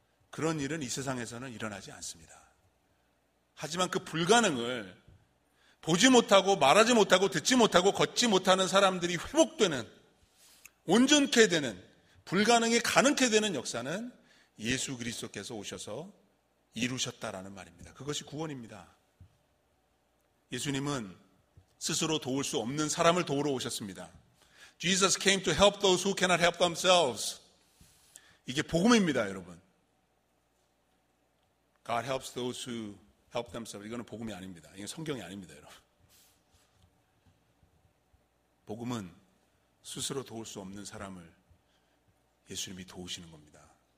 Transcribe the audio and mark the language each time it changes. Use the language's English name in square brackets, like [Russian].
[Korean] 그런 일은 이 세상에서는 일어나지 않습니다. 하지만 그 불가능을 보지 못하고 말하지 못하고 듣지 못하고 걷지 못하는 사람들이 회복되는, 온전케 되는, 불가능이 가능케 되는 역사는 예수 그리스도께서 오셔서 이루셨다라는 말입니다. 그것이 구원입니다. 예수님은 스스로 도울 수 없는 사람을 도우러 오셨습니다. [English] Jesus came to help those who cannot help themselves. [Korean] 이게 복음입니다, 여러분. [English] God helps those who help themselves. [Korean] 이거는 복음이 아닙니다. 이건 성경이 아닙니다, 여러분. 복음은 스스로 도울 수 없는 사람을 예수님이 도우시는 겁니다.